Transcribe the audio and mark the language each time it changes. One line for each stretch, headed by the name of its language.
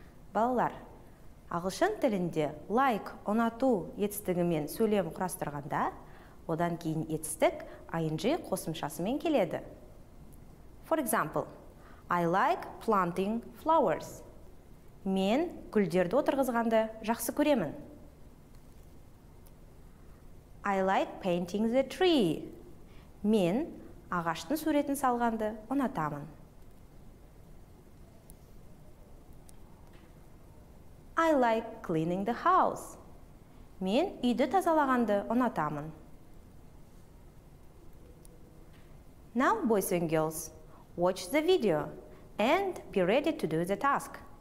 Kazakh: Балалар, ағылшын тілінде like, ұнату етістігімен сөйлем құрастырғанда, одан кейін етістік ing қосымшасымен келеді.
English: For example, I like planting flowers.
Kazakh: Мен гүлдерді отырғызғанды жақсы көремін.
English: I like painting the tree.
Kazakh: Мен ағаштың суретін салғанды ұнатамын.
English: I like cleaning the house.
Kazakh: Мен үйді тазалағанды ұнатамын.
English: Now, boys and girls, watch the video and be ready to do the task.